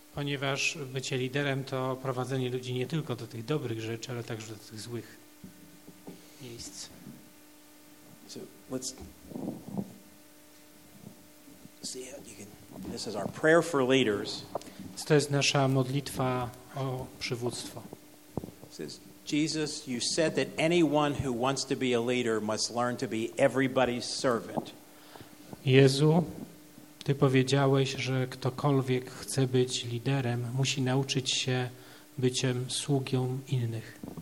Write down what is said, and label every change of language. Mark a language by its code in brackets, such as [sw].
[pl] Ponieważ bycie liderem to prowadzenie ludzi nie tylko do tych dobrych rzeczy, ale także do tych złych miejsc. [en] So let's see how you can. This is our prayer for leaders. [pl] To jest nasza modlitwa o przywództwo. [en] Says, Jesus, you said that anyone who wants to be a leader must learn to be everybody's servant. [pl] Jezu, ty powiedziałeś, że ktokolwiek chce być liderem, musi nauczyć się byciem sługą innych.